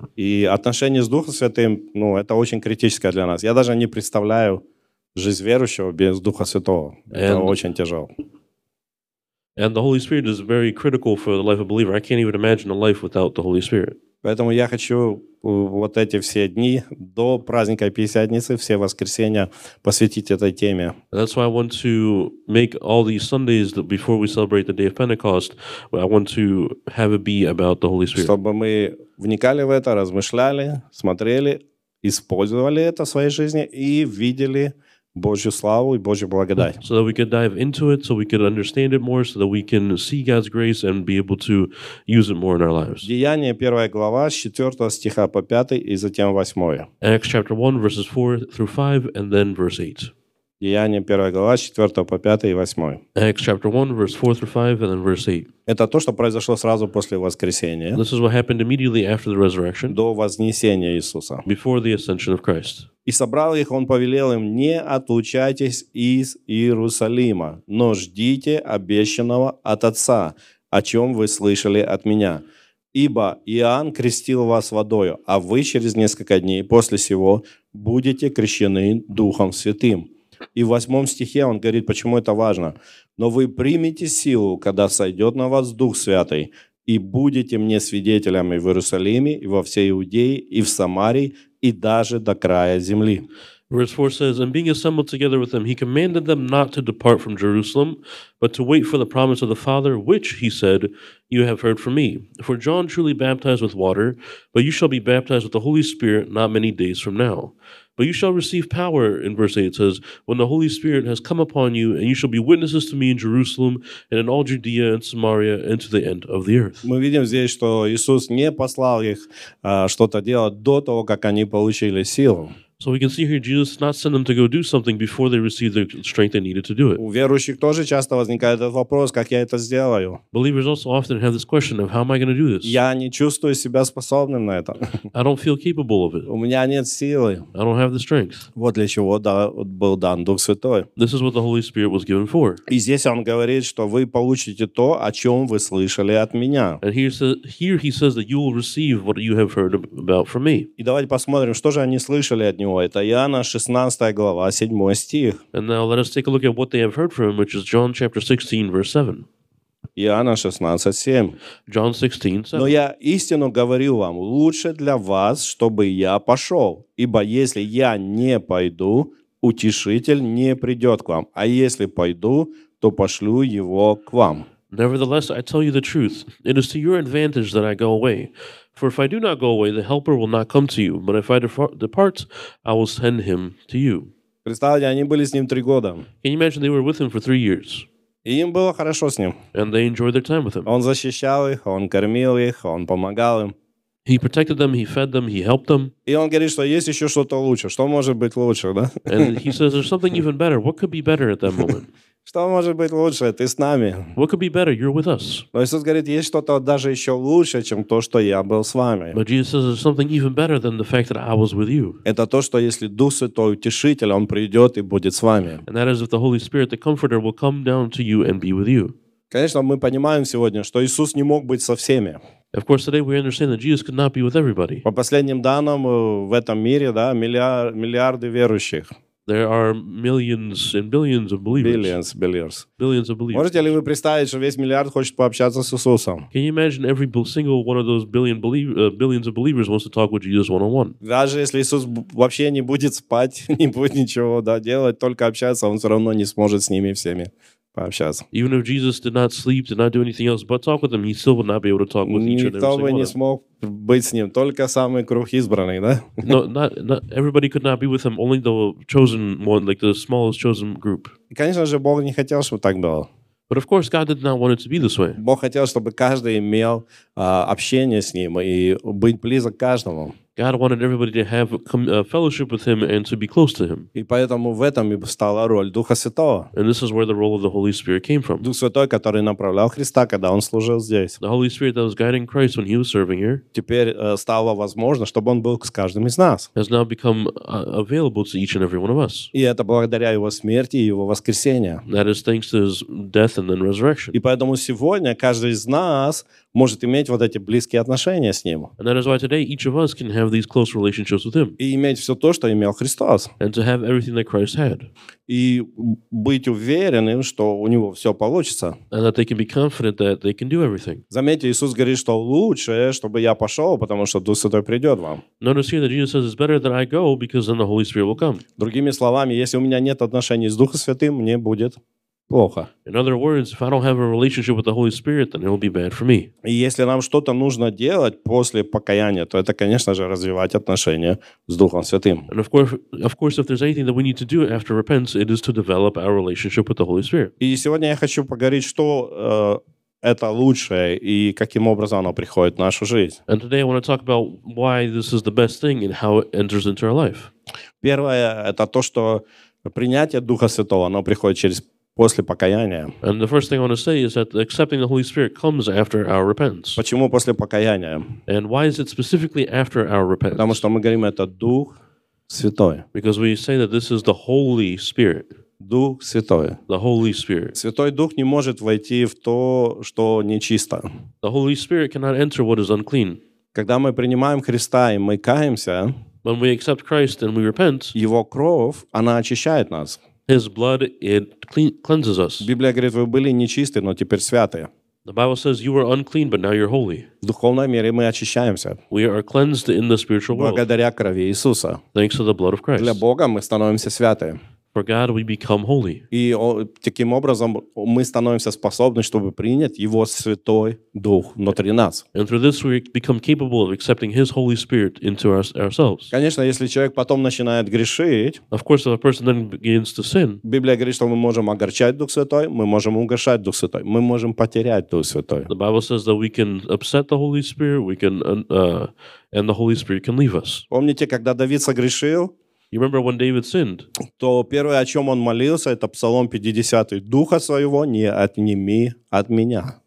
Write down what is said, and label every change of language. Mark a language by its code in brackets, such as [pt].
[ru] И отношения с Духом Святым, ну, это очень критическое для нас. Я даже не представляю жизнь верующего без Духа Святого. Это очень тяжело. [en] And the Holy Spirit is very critical for the life of a believer. I can't even imagine a life without the Holy Spirit. [ru] Поэтому я хочу вот эти все дни до праздника Пятидесятницы, все воскресенья посвятить этой теме. [en] That's why I want to make all these Sundays before we celebrate the day of Pentecost, I want to have it be about the Holy Spirit. [ru] Чтобы мы вникали в это, размышляли, смотрели, использовали это в своей жизни и видели Божью славу и Божью благодать. [en] So that we could dive into it, so we could understand it more, so that we can see God's grace and be able to use it more in our lives. [ru] Деяния, 1 глава, с 4 стиха по 5 и затем 8. [en] Acts chapter 1, verses 4 through 5, and then verse 8. [ru] Деяния, 1 глава, с 4 по 5 и 8. [en] Acts chapter 1, verse 4 through 5, and then verse 8. [ru] Это то, что произошло сразу после воскресения. [en] This is what happened immediately after the resurrection. [ru] До вознесения Иисуса. [en] Before the ascension of Christ. [ru] И собрал их, он повелел им, не отлучайтесь из Иерусалима, но ждите обещанного от Отца, о чем вы слышали от меня. Ибо Иоанн крестил вас водою, а вы через несколько дней после сего будете крещены Духом Святым. И в 8 стихе он говорит, почему это важно. Но вы примете силу, когда сойдет на вас Дух Святый, и будете мне свидетелями в Иерусалиме, и во всей Иудее, и в Самарии, и даже до края земли. [en] Verse 4 says, and being assembled together with them, he commanded them not to depart from Jerusalem, but to wait for the promise of the Father, which, he said, you have heard from me. For John truly baptized with water, but you shall be baptized with the Holy Spirit not many days from now. But you shall receive power, in verse 8 it says, when the Holy Spirit has come upon you, and you shall be witnesses to me in Jerusalem, and in all Judea and Samaria, and to the end of the earth. [ru] Мы видим здесь, что Иисус не послал их что-то делать до того, как они получили силу. [en] So we can see here Jesus not send them to go do something before they receive the strength they needed to do it. [ru] У верующих тоже часто возникает этот вопрос, как я это сделаю? [en] Believers also often have this question of how am I going to do this? [ru] Я не чувствую себя способным на это. [en] I don't feel capable of it. [ru] У меня нет силы. [en] I don't have the strength. [ru] Вот для чего был дан Дух Святой. [en] This is what the Holy Spirit was given for. [ru] И здесь он говорит, что вы получите то, о чем вы слышали от меня. [en] And here he says that you will receive what you have heard about from me. [ru] И давайте посмотрим, что же они слышали от него. Это Иоанна 16 глава, 7 стих. [en] And now let us take a look at what they have heard from him, which is John chapter 16, verse 7. [ru] Иоанна 16, 7. [en] John 16, 7. [ru] Но я истинно говорю вам, лучше для вас, чтобы я пошел. Ибо если я не пойду, утешитель не придет к вам. А если пойду, то пошлю его к вам. [en] Nevertheless, I tell you the truth. It is to your advantage that I go away. For if I do not go away, the Helper will not come to you. But if I depart, I will send him to you. [ru] Представьте, они были с ним 3 года. [en] Can you imagine they were with him for 3 years? [ru] И им было хорошо с ним. [en] And they enjoyed their time with him. [ru] Он защищал их, он кормил их, он помогал им. [en] He protected them, he fed them, he helped them. [ru] И он говорит, что есть еще что-то лучше. Что может быть лучше, да? [en] And he says, there's something even better. What could be better at that moment? [ru] Что может быть лучше? Ты с нами. [en] What could be better? You're with us. [ru] Но Иисус говорит, есть что-то даже еще лучше, чем то, что я был с вами. [en] But Jesus says, there's something even better than the fact that I was with you. [ru] Это то, что если Дух Святой, Утешитель, Он придет и будет с вами. [en] And that is if the Holy Spirit, the Comforter, will come down to you and be with you. [ru] Конечно, мы понимаем сегодня, что Иисус не мог быть со всеми. [en] Of course, today we understand that Jesus could not be with everybody. [ru] По последним данным, в этом мире, да, миллиарды верующих. [en] There are millions and billions of believers. Billions of believers. [ru] Можете ли вы представить, что весь миллиард хочет пообщаться с Иисусом? [en] Can you imagine every single one of those billions of believers wants to talk with Jesus one-on-one? [ru] Даже если Иисус вообще не будет спать, не будет ничего, да, делать, только общаться, он все равно не сможет с ними всеми. [en] Even if Jesus did not sleep, did not do anything else but talk with them, he still would not be able to talk with each other. [ru] Никто бы не смог быть с ним, только самый круг избранный, да? [en] No, not everybody could not be with him, only the chosen one, like the smallest chosen group. [ru] Конечно же, Бог не хотел, чтобы так было. [en] But of course, God did not want it to be this way. [ru] Бог хотел, чтобы каждый имел общение с ним и быть близок к каждому. [en] God wanted everybody to have fellowship with him and to be close to him. [ru] И поэтому в этом и стала роль Духа Святого. [en] And this is where the role of the Holy Spirit came from. [ru] Дух Святой, который направлял Христа, когда он служил здесь. [en] The Holy Spirit that was guiding Christ when he was serving here. [ru] Теперь стало возможно, чтобы он был с каждым из нас. [en] Has now become available to each and every one of us. [ru] И это благодаря его смерти и его воскресению. [en] That is thanks to his death and then resurrection. [ru] И поэтому сегодня каждый из нас может иметь вот эти близкие отношения с ним. [en] And that is why today each of us can have these close relationships with him. [ru] И иметь все то, что имел Христос. [en] And to have everything that Christ had. [ru] И быть уверенным, что у него все получится. [en] And that they can be confident that they can do everything. [ru] Заметьте, Иисус говорит, что лучше, чтобы я пошел, потому что Дух Святой придет вам. [en] Notice here that Jesus says it's better that I go because then the Holy Spirit will come. [ru] Другими словами, если у меня нет отношений с Духом Святым, мне будет плохо. [en] In other words, if I don't have a relationship with the Holy Spirit, then it will be bad for me. [ru] И если нам что-то нужно делать после покаяния, то это, конечно же, развивать отношения с Духом Святым. [en] And of course, if there's anything that we need to do after repentance, it is to develop our relationship with the Holy Spirit. [ru] И сегодня я хочу поговорить, что это лучшее и каким образом оно приходит в нашу жизнь. [en] And today I want to talk about why this is the best thing and how it enters into our life. [ru] Первое – это то, что принятие Духа Святого, оно приходит через после покаяния. [en] And the first thing I want to say is that accepting the Holy Spirit comes after our repentance. [ru] Почему после покаяния? [en] And why is it specifically after our repentance? [ru] Потому что мы говорим, это Дух Святой. [en] Because we say that this is the Holy Spirit. [ru] Дух Святой. [en] The Holy Spirit. [ru] Святой Дух не может войти в то, что нечисто. [en] The Holy Spirit cannot enter what is unclean. [ru] Когда мы принимаем Христа и мы каемся, [en] when we accept Christ and we repent, [ru] Его кровь, она очищает нас. [en] His blood, it cleanses us. [ru] Библия говорит, вы были нечисты, но теперь святые. [en] The Bible says you were unclean, but now you're holy. [ru] В духовной мере мы очищаемся. [en] We are cleansed in the spiritual world. [ru] Благодаря крови Иисуса. [en] Thanks to the blood of Christ. [ru] Для Бога мы становимся святыми. [en] For God, we become holy. [ru] И таким образом мы становимся способны, чтобы принять Его Святой Дух внутри нас. [en] And through this, we become capable of accepting His Holy Spirit into ourselves. [ru] Конечно, если человек потом начинает грешить, [en] of course, if a person then begins to sin, [ru] Библия говорит, что мы можем огорчать Дух Святой, мы можем угашать Дух Святой, мы можем потерять Дух Святой. [en] The Bible says that we can upset the Holy Spirit, we can, and the Holy Spirit can leave us. [ru] Помните, когда Давид согрешил? [en] You remember when David sinned? [ru] То первое, о чем он молился, это Псалом 50-й. Духа своего не отними от меня.